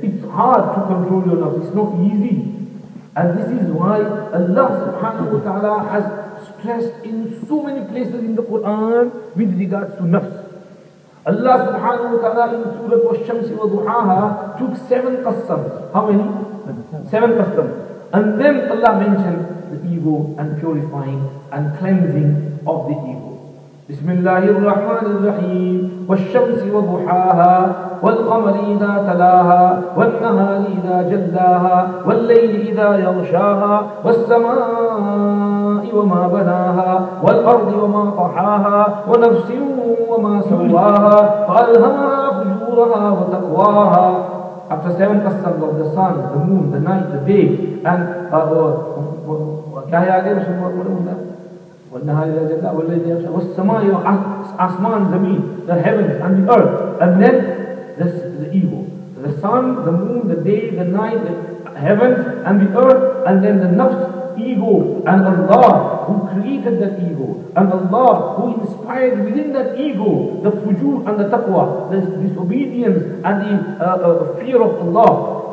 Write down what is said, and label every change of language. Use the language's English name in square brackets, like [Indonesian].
[English] It's hard to control your love, it's not easy. And this is why Allah subhanahu wa ta'ala has stressed in so many places in the Quran with regards to nafs. Allah subhanahu wa ta'ala in Surah Al-Shamsi wa Duhaha took 7 qasams. How many? 7 qasams. And then Allah mentioned the ego and purifying and cleansing of the ego. [Arabic] بسم الله الرحمن الرحيم والشمس وضحاها والقمر إذا تلاها والنهار إذا جلاها والليل إذا يغشاها والسماء وما بناها والأرض وما طحاها ونفس وما سواها فألهمها فجورها وتقواها. [English] After 7 قصص of the sun, the moon, the night, the day, and Asman, Zameen, the heavens and the earth, and then the ego, the sun, the moon, the day, the night, the heavens and the earth, and then the nafs, ego, and Allah who created that ego, and Allah who inspired within that ego the fujur and the taqwa, the disobedience and the fear of Allah.